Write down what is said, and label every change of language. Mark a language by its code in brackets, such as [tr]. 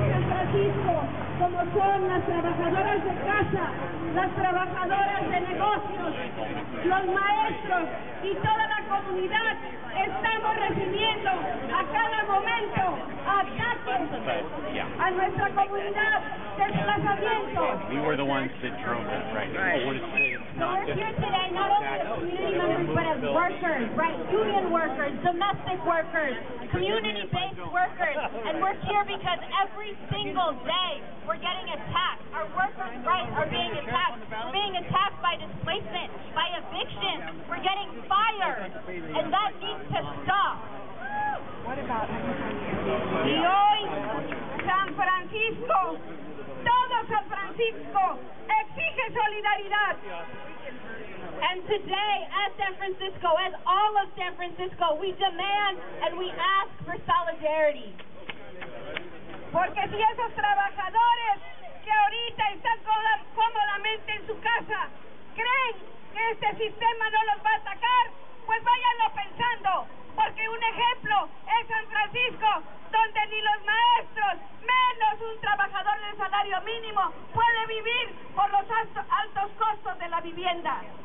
[es] Como son las trabajadoras de casa, las trabajadoras de negocios, los maestros y toda la comunidad, estamos recibiendo a cada momento ataques a nuestra comunidad, desplazamiento. [en] We were the ones that drove that, right? So we're here today not only as community members, but as workers, right? Union workers, domestic workers, community-based workers. And we're here because every single day we're getting attacked. Our workers' rights are being attacked. We're being attacked by displacement, by eviction. We're getting fired. And that needs to stop. What about [es] y hoy, San Francisco, todo San Francisco, exige solidaridad. [en] And today, as San Francisco, as all of San Francisco, we demand and we ask for solidarity. [es] Porque si esos trabajadores que ahorita están cómodamente en su casa creen que este sistema no los va a atacar, pues váyanlo pensando. Porque un ejemplo es San Francisco, donde ni los maestros, menos un trabajador de salario mínimo, puede vivir por los altos costos de la vivienda.